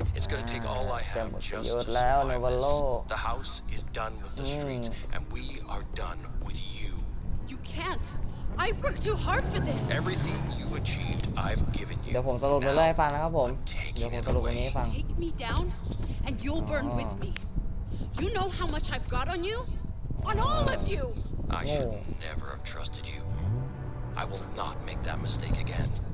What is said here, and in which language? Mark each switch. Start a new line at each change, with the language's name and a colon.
English: It's gonna take all I have just to survive this. The house is done with the streets, and we are done with you. You can't. I've worked too hard for this. Everything you achieved, I've given you.
Thai: เดี๋ยวผมสรุปเรื่อยๆฟัง
English: นะครับผมเดี๋ยวผมสรุปเรื่อยๆฟัง Take me down, and you'll burn with me. You know how much I've got on you, on all of you. I should never have trusted you. I will not make that mistake again.